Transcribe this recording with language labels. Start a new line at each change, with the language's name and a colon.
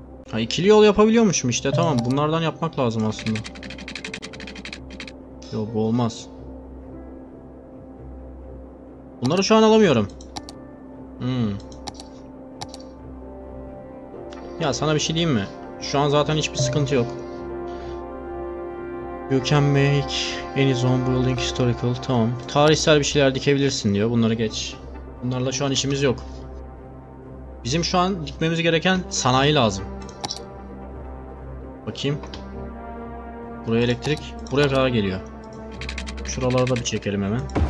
Turkish: Ha, ikili yol yapabiliyormuşum işte. Tamam, bunlardan yapmak lazım aslında. Yok, bu olmaz. Bunları şu an alamıyorum. Ya sana bir şey diyeyim mi? Şu an zaten hiçbir sıkıntı yok.
English: You can make any zone building historical.
Turkish: Tamam. Tarihsel bir şeyler dikebilirsin diyor. Bunları geç. Bunlarla şu an işimiz yok. Bizim şu an dikmemiz gereken sanayi lazım. Bakayım. Buraya elektrik. Buraya kadar geliyor. Şuraları da bir çekelim hemen.